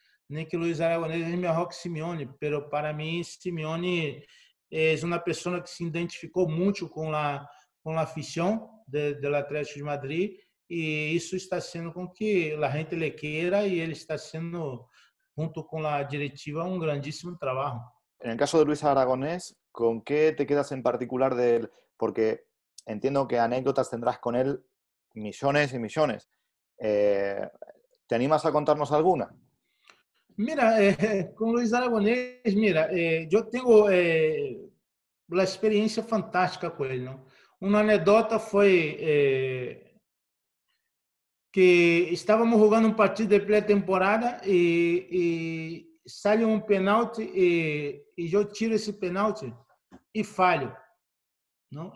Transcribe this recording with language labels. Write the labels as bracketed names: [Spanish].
[Portuguese] Nem que Luis Aragonés é melhor que Simeone, pero para mim Simeone é uma pessoa que se identificou muito com a afición do Atlético de Madrid e isso está sendo com que a gente le queira e ele está sendo, junto com a diretiva, um grandíssimo trabalho. [Spanish] En el caso de Luis Aragonés, ¿con qué te quedas en particular de él? Porque entiendo que anécdotas tendrás con él millones y millones. ¿Te animas a contarnos alguna? [Portuguese] Mira, com Luis Aragonés, mira, eu tenho uma experiência fantástica com ele. Não? Uma anedota foi que estávamos jogando um partido de pré-temporada e sai um penalti e eu tiro esse penalti e falho. Não?